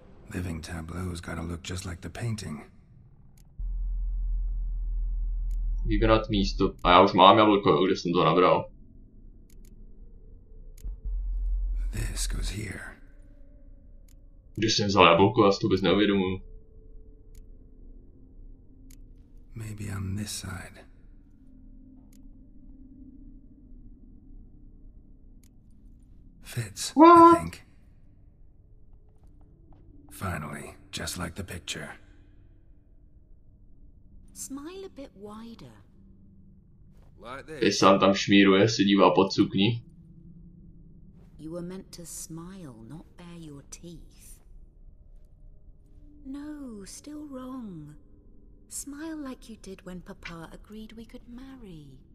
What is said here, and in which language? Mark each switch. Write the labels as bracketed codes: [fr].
[en] Living tableau's gotta look just like the painting. [cs] Vybrat místo. A já už mám jablko, kde jsem to nabral. [en] This goes here. [cs] Kde jsem vzal jablko, já si to vůbec neuvědomuji. [en] Maybe on this side. Fits, what? I think. Finally, just like the picture. Smile a bit wider. [cs] Ty sám tam šmíruje, se dívá pod sukni. [en] You were meant to smile, not bare your teeth. No, still wrong. Smile like you did when Papa agreed we could marry.